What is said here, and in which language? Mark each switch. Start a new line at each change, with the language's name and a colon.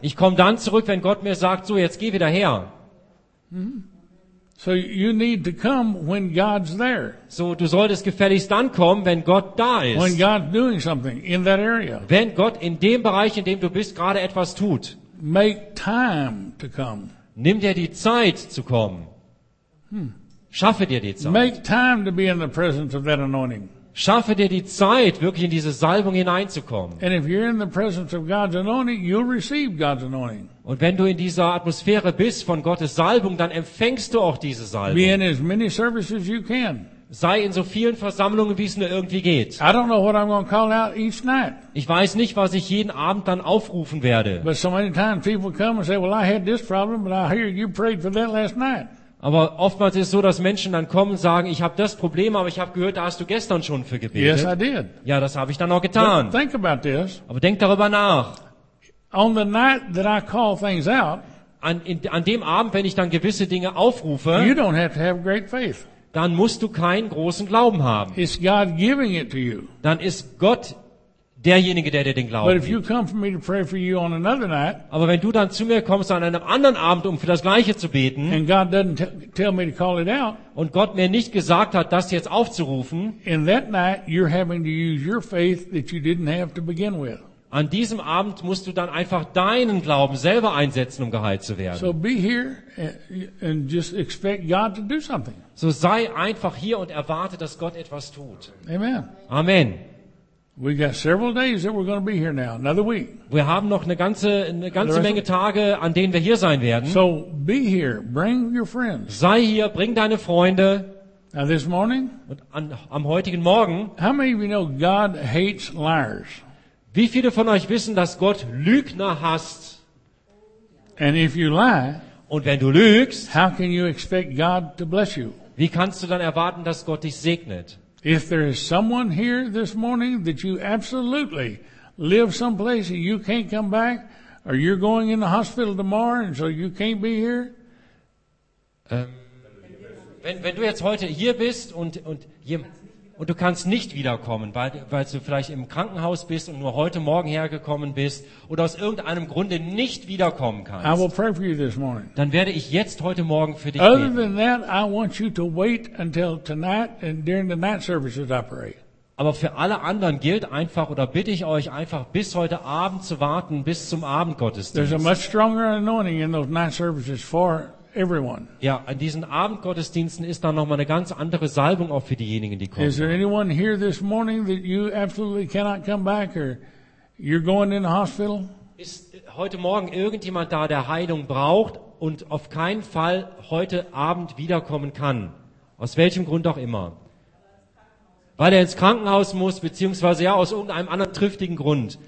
German: Ich komme dann zurück, wenn Gott mir sagt, so, jetzt geh wieder her.
English: So you need to come when God's there.
German: So du solltest gefälligst dann kommen, wenn Gott da ist.
English: When God's doing something in that area.
German: Wenn Gott in dem Bereich, in dem du bist, gerade etwas tut.
English: Make time to come.
German: Nimm dir die Zeit zu kommen. Schaffe dir die Zeit.
English: Make time to be in the presence of that anointing.
German: Schaffe dir die Zeit, wirklich in diese Salbung hineinzukommen.
English: And if you're in the presence of God's anointing, you'll receive God's anointing.
German: Und wenn du in dieser Atmosphäre bist von Gottes Salbung, dann empfängst du auch diese Salbung.
English: Be in as many services you can.
German: Sei in so vielen Versammlungen, wie es nur irgendwie geht.
English: I don't know what I'm going to call out each night.
German: Ich weiß nicht, was ich jeden Abend dann aufrufen werde.
English: But so many times people come and say, well, I had this problem, but I hear you prayed for that last night.
German: Aber oftmals ist es so, dass Menschen dann kommen und sagen, ich habe das Problem, aber ich habe gehört, da hast du gestern schon für gebetet.
English: Yes, I did.
German: Ja, das habe ich dann auch getan.
English: Think about this.
German: Aber denk darüber nach.
English: On the night that I call things out,
German: an dem Abend, wenn ich dann gewisse Dinge aufrufe,
English: you don't have to have great faith.
German: Dann musst du keinen großen Glauben haben.
English: It's God giving it to you.
German: Dann ist Gott derjenige, der dir den Glauben gibt. Aber wenn du dann zu mir kommst an einem anderen Abend, um für das Gleiche zu beten,
English: and God doesn't tell me to call it out,
German: und Gott mir nicht gesagt hat, das jetzt aufzurufen,
English: in that night you're having to use your faith that you didn't have to begin with.
German: An diesem Abend musst du dann einfach deinen Glauben selber einsetzen, um geheilt zu werden.
English: So be here and just expect God to do something.
German: So sei einfach hier und erwarte, dass Gott etwas tut.
English: Amen.
German: Amen.
English: We got several days that we're going to be here now, another week.
German: Wir haben noch eine ganze Menge Tage, an denen wir hier sein werden.
English: So be here, bring your friends.
German: Sei hier, bring deine Freunde.
English: Now this morning,
German: am heutigen Morgen.
English: How many of you know God hates liars?
German: Wie viele von euch wissen, dass Gott Lügner hasst?
English: And if you lie,
German: und wenn du lügst,
English: how can you expect God to bless you?
German: Wie kannst du dann erwarten, dass Gott dich segnet?
English: If there is someone here this morning that you absolutely live someplace and you can't come back, or you're going in the hospital tomorrow and so you can't be here.
German: Wenn du jetzt heute hier bist und du kannst nicht wiederkommen, weil du vielleicht im Krankenhaus bist und nur heute Morgen hergekommen bist oder aus irgendeinem Grunde nicht wiederkommen kannst,
English: I will pray for you this morning.
German: Dann werde ich jetzt heute Morgen für dich
English: Other
German: beten.
English: Than that, I want you to wait until tonight and during the night services operate.
German: Aber für alle anderen gilt einfach oder bitte ich euch einfach bis heute Abend zu warten, bis zum Abendgottesdienst.
English: There's a much stronger anointing in those night services for everyone.
German: Ja, an diesen Abendgottesdiensten ist dann nochmal eine ganz andere Salbung auch für diejenigen, die kommen.
English: Is there anyone here this morning that you absolutely cannot come back or you're going in the hospital?
German: Ist heute Morgen irgendjemand da, der Heilung braucht und auf keinen Fall heute Abend wiederkommen kann? Aus welchem Grund auch immer. Weil er ins Krankenhaus muss, beziehungsweise ja, aus irgendeinem anderen triftigen Grund.